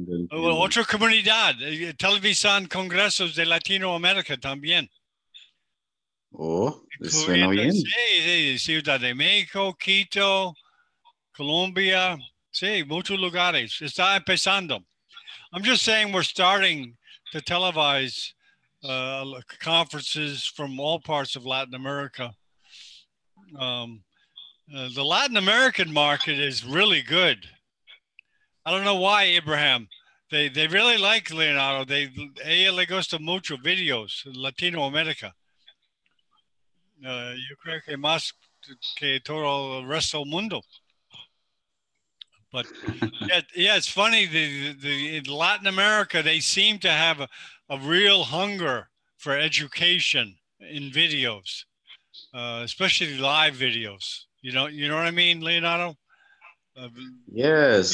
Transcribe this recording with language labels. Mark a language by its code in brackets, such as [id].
[es] Otra comunidad, televisan congresos de Latinoamérica también. Oh, suena bien. Sí, Ciudad de México, Quito, Colombia, sí, muchos lugares. Está empezando. [en] I'm just saying we're starting to televise conferences from all parts of Latin America. The Latin American market is really good. I don't know why, Abraham. They really like Leonardo. They a [es] le gusta mucho videos [en] in Latino America. [es] Yo creo que más que todo el resto del mundo. [en] But yeah, it's funny. The in Latin America, they seem to have a real hunger for education in videos, especially live videos. You know what I mean, Leonardo? Yes.